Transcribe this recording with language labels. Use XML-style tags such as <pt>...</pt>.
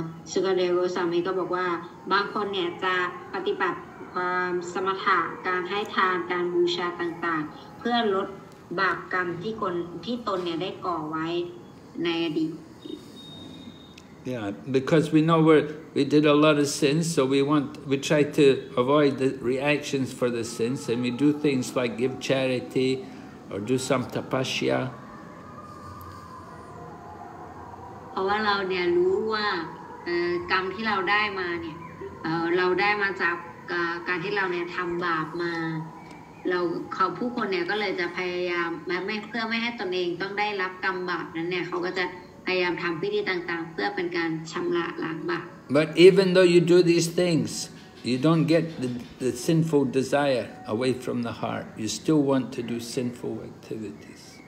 <th>สุกเดวสามีก็บอกว่าบางคนเนี่ยจะปฏิบัติความสมถะการให้ทานการบูชาต่างๆเพื่อลดบาปกรรมที่คนที่ตนเนี่ยได้ก่อไว้ในอดีต</th> <en>Yeah because we know we did a lot of sins so we try to avoid the reactions for the sins and we do things like give charity or do some tapasya</en> <th>เพราะว่าเราเนี่ยรู้ว่ากรรมที่เราได้มาเนี่ยเราได้มาจากการที่เราเนี่ยทำบาปมาเราเขาผู้คนเนี่ยก็เลยจะพยายามเพื่อไม่ให้ตนเองต้องได้รับกรรมบาปนั้นเนี่ยเขาก็จะพยายามทำพิธีต่างๆเพื่อเป็นการชำระล้างบาป</th> <en>But even though you do these things you don't get the sinful desire away from the heart you still want to do sinful activities.</en>